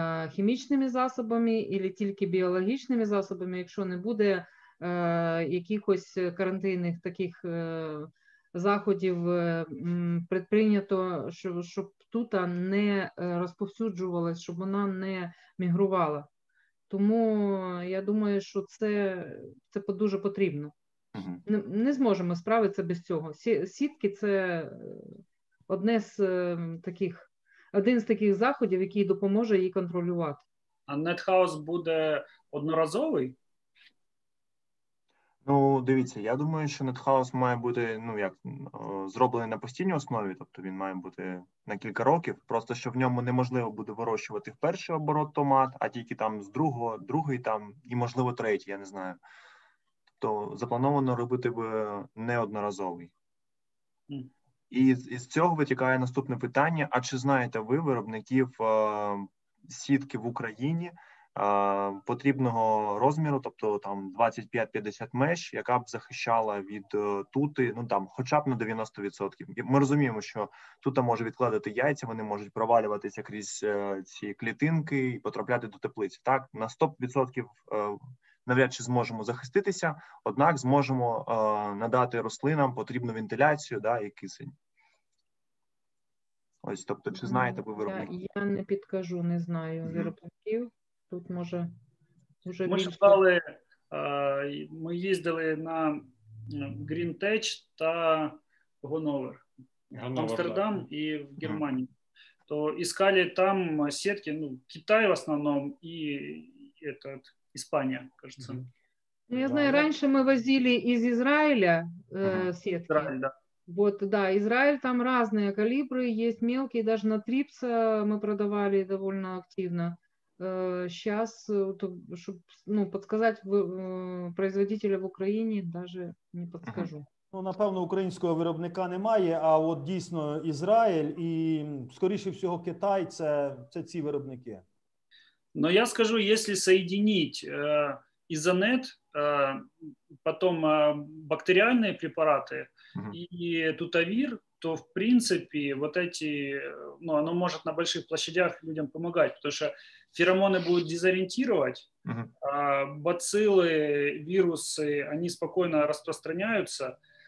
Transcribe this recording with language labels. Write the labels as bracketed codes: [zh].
[uk] хімічними засобами або тільки біологічними засобами, якщо не буде якихось карантинних таких заходів предприйнято, щоб тута не розповсюджувалась, щоб вона не мігрувала. Тому я думаю, що це дуже потрібно. Не зможемо справитися без цього. Сітки – це одне з таких, один з таких заходів, який допоможе її контролювати. А NetHouse буде одноразовий? Ну, дивіться, я думаю, що NetHouse має бути, ну як, зроблений на постійній основі, тобто він має бути на кілька років, просто що в ньому неможливо буде вирощувати в перший оборот томат, а тільки там з другого, другий там, і можливо третій, я не знаю. То заплановано робити би неодноразовий. І з цього витікає наступне питання, а чи знаєте ви виробників сітки в Україні, потрібного розміру, тобто там 25-50 меж, яка б захищала від тути, ну там, хоча б на 90%. І ми розуміємо, що тута може відкладати яйця, вони можуть провалюватися крізь ці клітинки і потрапляти до теплиці. Так, на 100% навряд чи зможемо захиститися, однак зможемо надати рослинам потрібну вентиляцію, да, і кисень. Ось, тобто, чи знаєте ви виробників? Я не підкажу, не знаю виробників. Тут може вже ми шукали, ми їздили на Green Tech та Гановер в Амстердам, так, і в Германії. То іскали там сітки, ну, Китай в основному і этот Іспанія, кажеться. Ну, я знаю, раніше ми возили із Ізраїля сітки. Ізраїль, так. Вот, да, Ізраїль, там різні калібри, є мелкі, навіть на Trips ми продавали доволі активно. Сейчас, щоб ну, подсказати производителя в Україні, навіть не підскажу. Ну, напевно, українського виробника немає, а от дійсно Ізраїль і, скоріше всього, Китай – це ці виробники. [ru] Но я скажу, если соединить изонет, потом бактериальные препараты и тутовир, то в принципе вот эти, ну оно может на больших площадях людям помогать, потому что феромоны будут дезориентировать, бациллы, вирусы, они спокойно распространяются.